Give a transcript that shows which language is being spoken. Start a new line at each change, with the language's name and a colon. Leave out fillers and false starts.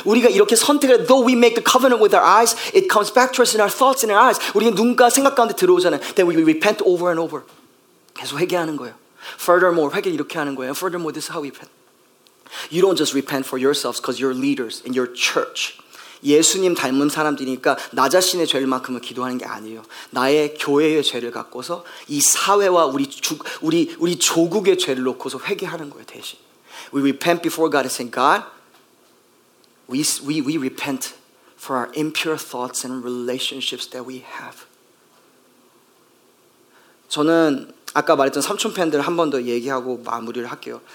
Korean: 우리가 이렇게 선택을,
English: though we make the covenant with our eyes, it comes back to us in our thoughts, in our eyes.
Korean: 우리의 눈과 생각 가운데 들어오잖아요.
English: Then we repent over and over.
Korean: 계속 회개하는 거예요.
English: Furthermore,
Korean: 회개 이렇게 하는 거예요.
English: And furthermore, this is how we repent. You don't just repent for yourselves because you're leaders in your church.
Korean: 예수님 닮은 사람들이니까 나 자신의 죄만큼은 기도하는 게 아니에요. 나의 교회의 죄를 갖고서 이 사회와 우리 조국의 죄를 놓고서 회개하는 거예요. 대신
English: we repent before God and say, God, we repent for our impure thoughts and relationships that we have.
Korean: 저는 아까 말했던 삼촌 팬들을 한 번 더 얘기하고 마무리를 할게요.